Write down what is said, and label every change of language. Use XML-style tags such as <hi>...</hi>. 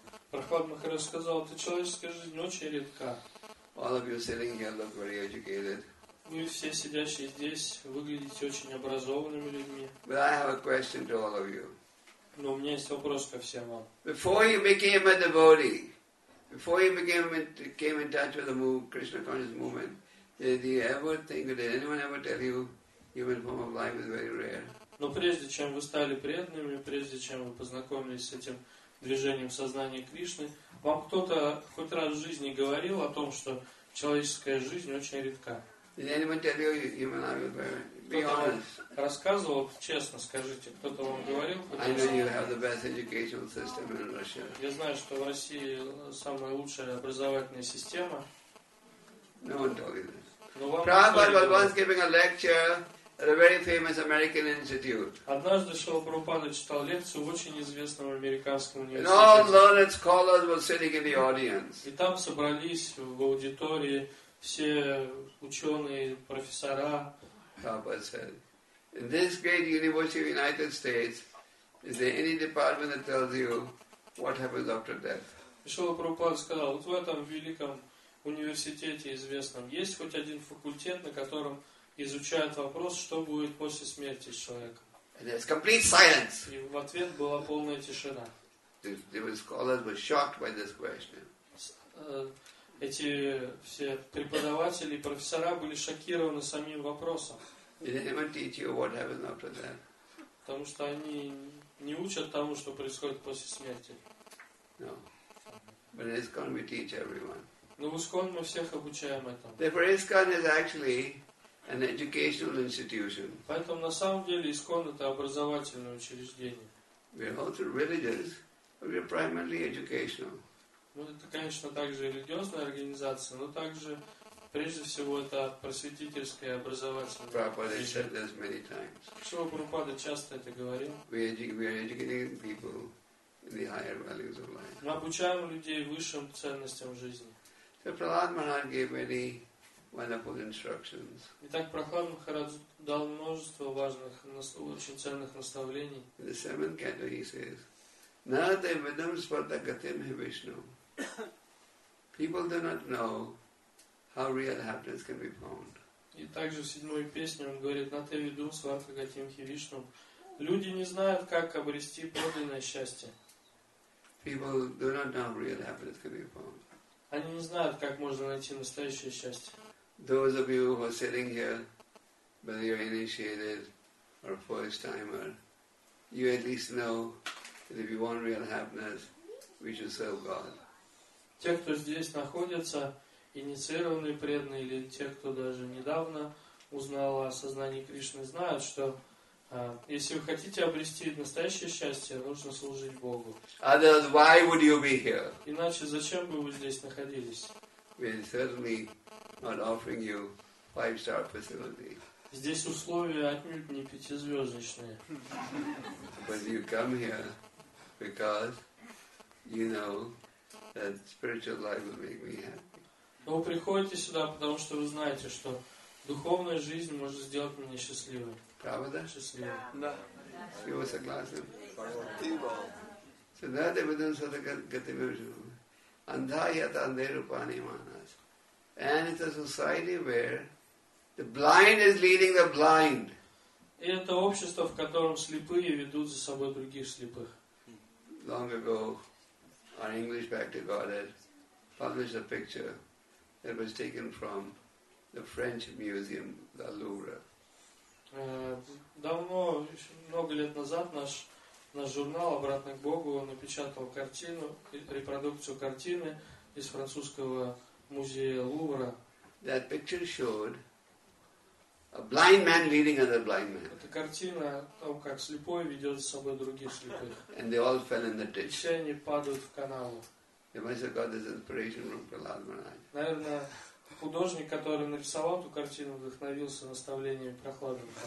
<ru>Прохлад Махарадж сказал, эта человеческая жизнь очень редка.</ru> <en>All of you sitting here look very educated.</en> <ru>Вы все сидящие здесь выглядите очень образованными людьми.</ru> <en>But I have a question to all of you.</en> <ru>Но у меня есть вопрос ко всем вам.</ru> <en>Before you became a devotee, before you came in touch with the Krishna consciousness movement, did anyone ever tell you human form of life is very rare?</en> <ru>Но прежде чем вы стали преданными, прежде чем вы познакомились с этим движением сознания Кришны, вам кто-то хоть раз в жизни говорил о том, что человеческая жизнь очень редка?</ru> <en>Did anyone tell you human life is very rare? Be honest.</en> <ru>Рассказывал, честно скажите, кто-то вам говорил?</ru> <en>I know you have the best educational system in Russia.</en> <ru>Я знаю, что в России самая лучшая образовательная система.</ru> <en>No one told you this. Prabhupada was once giving a lecture at a very famous American institute.</en> <ru>Однажды Шрила Прабхупада читал лекцию в очень известном американском университете.</ru> <en>And all learned scholars were sitting in the audience.</en> <ru>И там собрались в аудитории все ученые, профессора.</ru> <en>Prabhupada said, in this great university of the United States, is there any department that tells you what happens after death?</en> <ru>Шрила Прабхупада сказал, вот в этом великом университете известном, есть хоть один факультет, на котором изучают вопрос, что будет после смерти человека?</ru> <en>And there's complete silence.</en> <ru>И в ответ была полная тишина.</ru> <en>The scholars were shocked by this question.</en> <ru>Эти все преподаватели и профессора были шокированы самим вопросом.</ru> <en>Did anyone teach you what happens after death?</en> <ru>Потому что они не учат тому, что происходит после смерти.</ru> <en>No. But ISKCON we teach everyone.</en> <ru>Но в ISKCON мы всех обучаем этому.</ru> <en>Therefore ISKCON is actually an educational institution.</en> <ru>Поэтому на самом деле ISKCON это образовательное учреждение.</ru> <en>We are also religious, but we are primarily educational.</en> <ru>Ну, это, конечно, также религиозная организация, но также, прежде всего, это просветительская и образовательная.</ru> <en>Prabhupada said this many times.</en> <ru>Шрила Прабхупада часто это говорил.</ru> <en>We are educating people in the higher values of life.</en> <ru>Мы обучаем людей высшим ценностям жизни.</ru> <en>So Prahlad Maharaj gave many wonderful instructions.</en> <ru>Итак, Прохлад Махарадж дал множество важных, очень ценных наставлений.</ru> <en>In the seventh canto, he says, Narada and Vedanta Svarta Gatirmi Vishnu. People do not know how real happiness can be found.</en> <ru>И также в седьмой песне он говорит: на те виду сварка гатим хивишну. Люди не знают, как обрести подлинное счастье.</ru> <en>People do not know how real happiness can be found.</en> <ru>Они не знают, как можно найти настоящее счастье.</ru> <en>Those of you who are sitting here, whether you're initiated or a first timer, you at least know that if you want real happiness, we should serve God.</en> <ru>Те, кто здесь находится, инициированные преданные или те, кто даже недавно узнал о сознании Кришны, знают, что если вы хотите обрести настоящее счастье, нужно служить Богу.</ru> <en>Others, why would you be here?</en> <ru>Иначе зачем бы вы здесь находились?</ru> <en>We are certainly not offering you five-star facilities.</en> <ru>Здесь условия отнюдь не пятизвездочные.</ru> <en>But you come here because you know that spiritual life will make me happy.</en> <ru>Но вы приходите сюда, потому что вы знаете, что духовная жизнь может сделать меня счастливым. Правда? Счастливым. Да. Все вы согласны? Согласен. Сюда ты будешь садака гатимиржу. Андхая тандеру пани манас.</ru> <en>And it's a society where the blind is leading the blind.</en> <ru>И это общество, в котором слепые ведут за собой других слепых.</ru> <en>Long ago, our English Bhakti Godhead published a picture. It was taken from the French museum, the Louvre.</en> <ru>Давно, много лет назад, наш журнал «Обратно к Богу» напечатал картину, репродукцию картины из французского музея Лувра.</ru> <en>That picture showed a blind man leading another blind man.</en> <ru>Эта картина о том, как слепой ведет с собой других слепых.</ru> <en>And they all fell in the ditch.</en> <ru>Все они падают в канаву.</ru> <en>He must have got this inspiration from Prahlad Maharaj.</en> <ru>Наверное, художник, который нарисовал эту картину, вдохновился наставлениями Прохлады</ru>